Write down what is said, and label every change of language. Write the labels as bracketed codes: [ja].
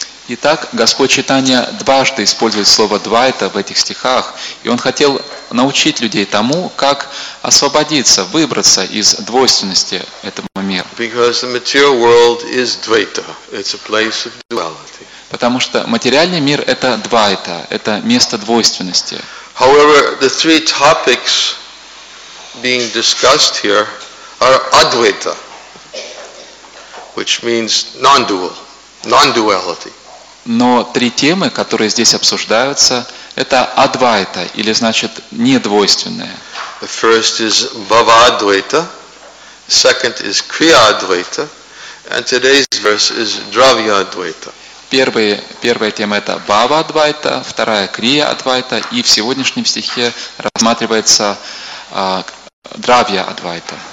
[ru] Итак, Господь Чайтанья дважды использует слово «двайта» в этих стихах, и Он хотел научить людей тому, как освободиться, выбраться из двойственности этого мира. [en] Because the material world is dvaita. It's a place of duality. [ru] Потому что материальный мир – это двайта, это место двойственности. [en] However, the three topics being discussed here are advaita, which means non-dual, non-duality. [ru] Но три темы, которые здесь обсуждаются, это адвайта, или значит недвойственное. [en] The first is бхавадвайта, second is криадвайта, and today's verse is дравьядвайта. [ru] Первая тема это бхавадвайта, вторая криадвайта, и в сегодняшнем стихе рассматривается дравьядвайта.